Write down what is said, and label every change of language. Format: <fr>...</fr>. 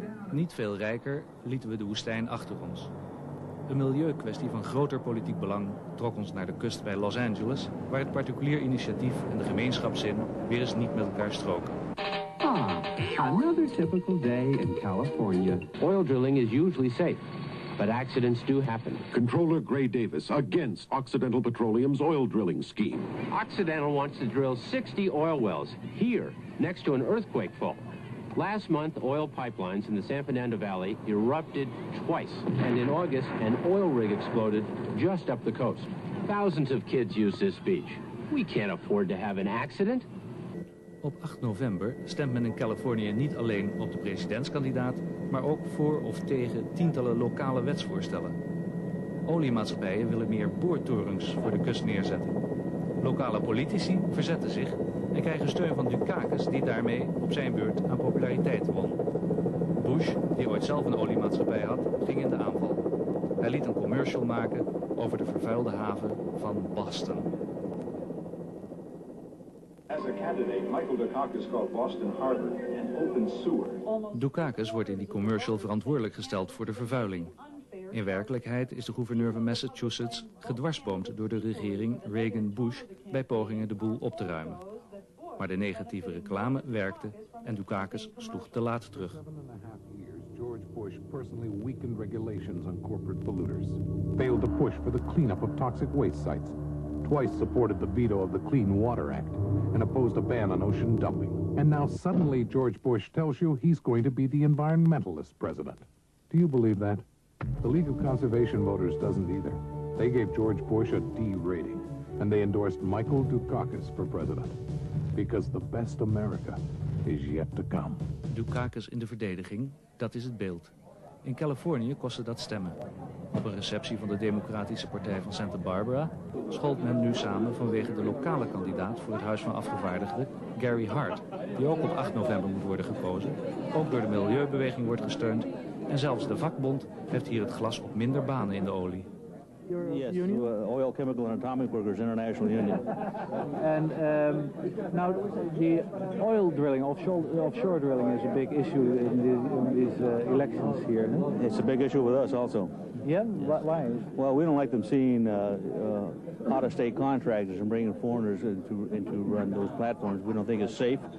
<nl>Niet veel rijker lieten we de woestijn achter ons. Een milieukwestie van groter politiek belang trok ons naar de kust bij Los Angeles, waar het particulier initiatief en de gemeenschapszin weer eens niet met elkaar stroken.</nl> <en>Another typical day in California. Oil drilling is usually safe, but accidents do happen. Controller Gray Davis against Occidental Petroleum's oil drilling scheme. Occidental wants to drill 60 oil wells here, next to an earthquake fault. Last month, oil pipelines in the San Fernando Valley erupted twice. And in August, an oil rig exploded just up the coast. Thousands of kids use this beach. We can't afford to have an accident.</en> <nl>Op 8 november stemt men in Californië niet alleen op de presidentskandidaat, maar ook voor of tegen tientallen lokale wetsvoorstellen. Oliemaatschappijen willen meer boortorens voor de kust neerzetten. Lokale politici verzetten zich en krijgen steun van Dukakis, die daarmee op zijn beurt aan populariteit won. Bush, die ooit zelf een oliemaatschappij had, ging in de aanval. Hij liet een commercial maken over de vervuilde haven van Boston. Dukakis wordt in die commercial verantwoordelijk gesteld voor de vervuiling. In werkelijkheid is de gouverneur van Massachusetts gedwarsboomd door de regering Reagan-Bush bij pogingen de boel op te ruimen. Maar de negatieve reclame werkte en Dukakis sloeg te laat terug.</nl> <en>George Bush personally weakened regulations on corporate polluters, failed to push for the cleanup of toxic waste sites, twice supported the veto of the Clean Water Act, and opposed a ban on ocean dumping. And now suddenly George Bush tells you he's going to be the environmentalist president. Do you believe that? The League of Conservation Voters doesn't either. They gave George Bush a D rating, and they endorsed Michael Dukakis for president. Because the best America is yet to come.</en> <nl>Dukakis in de verdediging, dat is het beeld. In Californië kostte dat stemmen. Op een receptie van de Democratische Partij van Santa Barbara schold men nu samen vanwege de lokale kandidaat voor het Huis van Afgevaardigden, Gary Hart, die ook op 8 november moet worden gekozen, ook door de milieubeweging wordt gesteund en zelfs de vakbond heeft hier het glas op minder banen in de olie.</nl> <en>Yes, Oil, Chemical and Atomic Workers International Union. And now the oil drilling, offshore drilling is a big issue in these elections here. Huh? It's a big issue with us also. Yeah? Yes. Why? Well, we don't like them seeing out-of-state contractors and bringing foreigners into run those platforms. We don't think it's safe.</en>